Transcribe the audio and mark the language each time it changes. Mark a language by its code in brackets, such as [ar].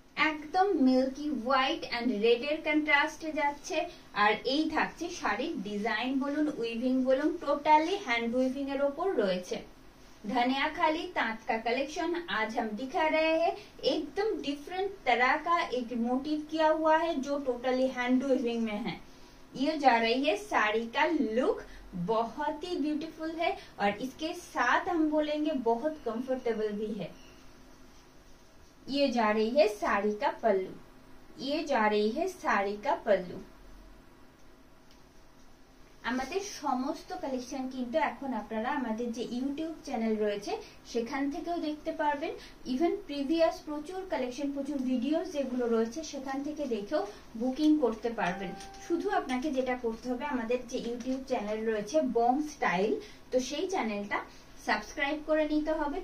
[bn] একদম milky white and red এর কন্ট্রাস্টে যাচ্ছে। আর এই থাকছে শাড়ির ডিজাইন বলুন, উইভিং বলুন, টোটালি হ্যান্ড উইভিং এর উপর রয়েছে। [hi] धनिया खाली तांत का कलेक्शन आज हम दिखा रहे हैं। एकदम डिफरेंट तरह का एक मोटिव किया हुआ है जो टोटली हैंड वीविंग में है। ये जा रही है साड़ी का लुक, बहुत ही ब्यूटीफुल है और इसके साथ हम बोलेंगे बहुत कंफर्टेबल भी है। ये जा रही है साड़ी का पल्लू, ये जा रही है साड़ी का पल्लू। [bn] আমাদের সমস্ত কালেকশন কিন্তু এখন আপনারা আমাদের যে ইউটিউব চ্যানেল রয়েছে সেখান থেকেও দেখতে পারবেন। ইভেন প্রিভিয়াস প্রচুর কালেকশন, প্রচুর ভিডিও যেগুলো রয়েছে সেখান থেকে দেখেও বুকিং করতে পারবেন। শুধু আপনাকে যেটা করতে হবে, আমাদের যে ইউটিউব চ্যানেল রয়েছে বং স্টাইল, তো সেই চ্যানেলটা সাবস্ক্রাইব করে নিতে হবে।